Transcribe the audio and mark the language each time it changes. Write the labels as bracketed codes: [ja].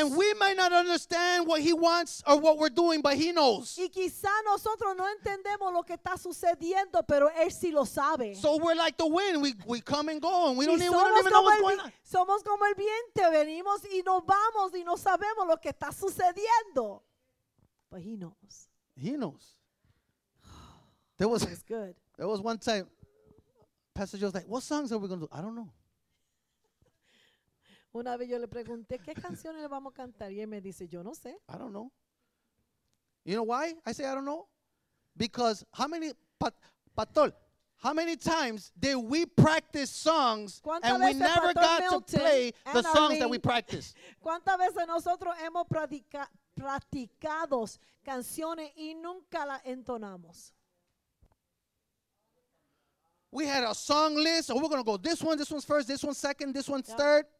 [en] And we might not understand what he wants or what we're doing, but he knows. [es] Y quizá nosotros no entendemos lo que está sucediendo, pero él sí lo sabe. [en] So we're like the wind. We come and go and we don't even know what's going on. [es] Somos como el viento, venimos y nos vamos y no sabemos lo que está sucediendo. [en] But he knows. He knows. There was, that's good. There was one time, Pastor Joe was like, what songs are we going to do? I don't know. [es] Una vez yo le pregunté, ¿qué canciones le vamos a cantar? Y él me dice, yo no sé. [en] I don't know. You know why I say I don't know? Because how many, Pastor, how many times did we practice songs and we never got to play the songs that we practiced? [es] ¿Cuántas veces nosotros hemos practicado canciones y nunca las entonamos? [en] We had a song list, so we're going to go this one's first, this one's second, this one's third.